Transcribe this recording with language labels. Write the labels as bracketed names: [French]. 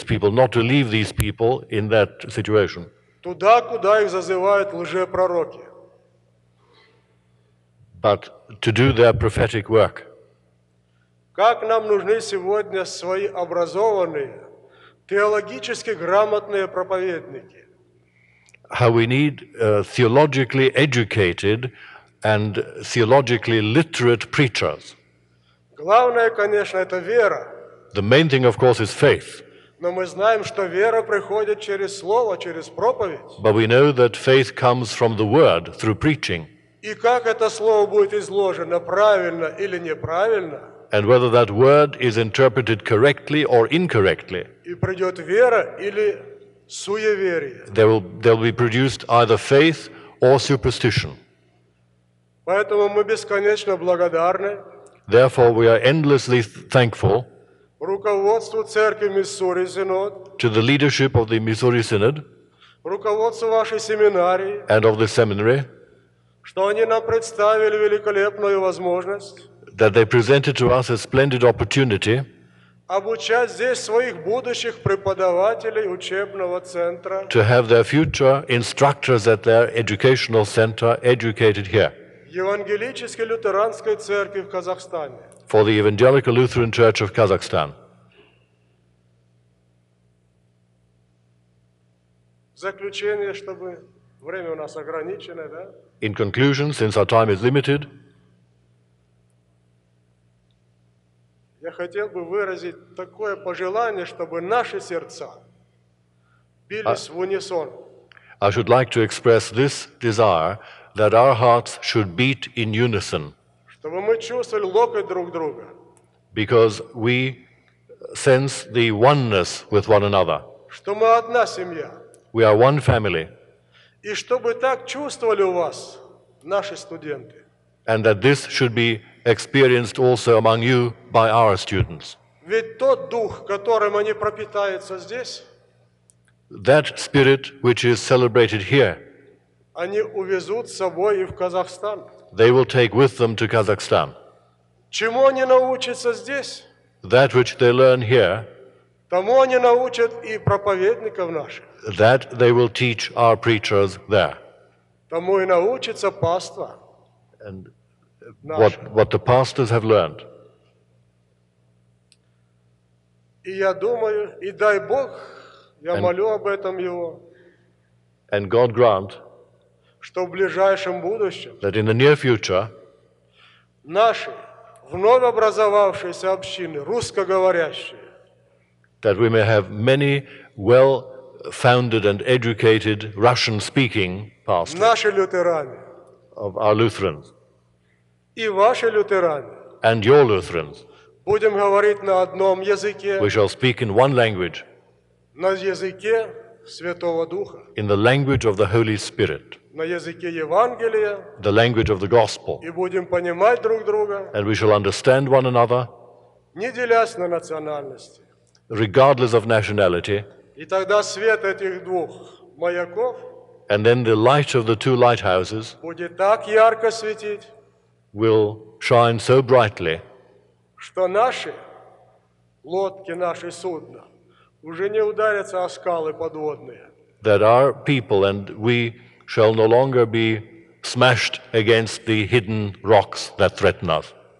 [English] Not to leave these people in that situation. [Russian] Туда, куда их зазывают лжепророки. [English] But to do their prophetic work. [Russian] Как нам нужны сегодня свои образованные, теологически грамотные проповедники. [English] How we need theologically educated and theologically literate preachers. [Russian] Главное, конечно, это вера. [English] The main thing, of course, is faith. [Russian] Но мы знаем, что вера приходит через слово, через проповедь. [English] But we know that faith comes from the word, through preaching. [Russian] И как это слово будет изложено, правильно или неправильно? [English] And whether that word is interpreted correctly or incorrectly. [Russian] И придет вера или суеверие. [English] There will be produced either faith or superstition. [Russian] Поэтому мы бесконечно благодарны. [English] Therefore, we are endlessly thankful [Russian] руководству церкви Миссури-Синод, [English] to the leadership of the Missouri Synod, [Russian] руководство вашей семинарии, [English] and of the seminary, [Russian] что они нам представили великолепную возможность, [English] that they presented to us a splendid opportunity, [Russian] обучать здесь своих будущих преподавателей учебного центра, [English] to have their future instructors at their educational center educated here. [Russian] Евангелической лютеранской церкви в Казахстане. [English] For the Evangelical Lutheran Church of Kazakhstan. [Russian] В заключение, чтобы время у нас ограничено, да? [English] In conclusion, since our time is limited, [Russian] я хотел бы выразить такое пожелание, чтобы наши сердца бились в унисон. [English] I should like to express this desire that our hearts should beat in unison. [Russian] Чтобы мы чувствовали локоть друг друга. [English] Because we sense the oneness with one another. [Russian] Что мы одна семья. [English] We are one family. [Russian] И чтобы так чувствовали у вас наши студенты. [English] And that this should be experienced also among you by our students. [Russian] Ведь тот дух, которым они пропитаются здесь, [English] that spirit which is celebrated here, [Russian] они увезут с собой и в Казахстан. [English] They will take with them to Kazakhstan. [Russian] Чему они научатся здесь, [English] that which they learn here, [Russian] тому они научат и проповедников наших. [English] That they will teach our preachers there. [Russian] Тому и научится паства. [English] And what the pastors have learned. [Russian] И я думаю, и дай Бог, я молю об этом его. [English] And God grant, [Russian] что в ближайшем будущем, [English] that in the near future, [Russian] наши вновь образовавшиеся общины, русскоговорящие, [English] that we may have many well-founded and educated Russian-speaking pastors, [Russian] наши лютеране, [English] of our Lutherans, [Russian] и ваши лютеране, [English] and your Lutherans, [Russian] будем говорить на одном языке, [English] we shall speak in one language, [Russian] на языке Святого Духа, [English] in the language of the Holy Spirit, [Russian] на языке Евангелия, [English] the language of the Gospel, [Russian] и будем понимать друг друга, [English] and we shall understand one another, [Russian] не делясь на национальности, [English] regardless of nationality, [Russian] и тогда свет этих двух маяков, [English] and then the light of the two lighthouses, [Russian] будет так ярко светить, [English] will shine so brightly, [Russian] что наши лодки, наши судна, уже не ударятся о скалы подводные, [English] that our people and we shall no longer be smashed against the hidden rocks that threaten us.